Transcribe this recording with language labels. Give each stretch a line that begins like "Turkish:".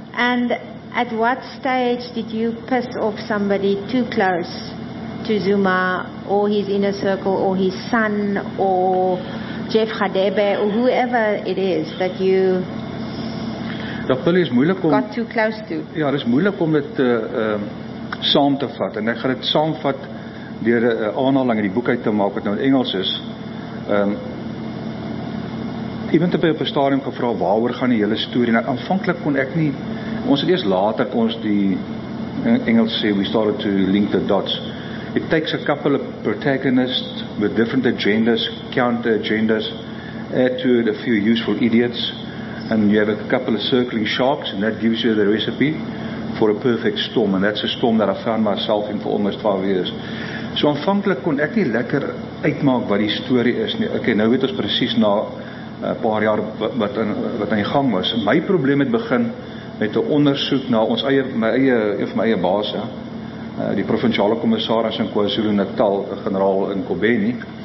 English: And at what stage did you piss off somebody too close to Zuma or his inner circle or his son or Jeff Radebe or whoever it is that you got too close to?
Afrikaans: Ja, dit is moeilik om dit saam te vat. En ek gaan dit saamvat deur 'n aanhaling in die boek uit te maak wat nou in Engels is. Iemand het by op 'n stadium gevra waaroor gaan die hele storie. Nou aanvanklik kon ek nie, ons het eers later kon ons die in Engels sê
English: we started to link the dots. It takes a couple of protagonists with different agendas, counter agendas, add to it a few useful idiots, and you have a couple of circling sharks, and that gives you the recipe for a perfect storm, and that's a storm that I found myself in for almost 5 years.
Afrikaans: So aanvanklik kon ek nie lekker uitmaak wat die story is nie. Okay, nou weet ons precies na paar jaar wat in gang was. My probleem het begin met 'n ondersoek na ons eie, my eie baas, ja, die provinsiale kommissaris in KwaZulu-Natal, generaal in Kobeni.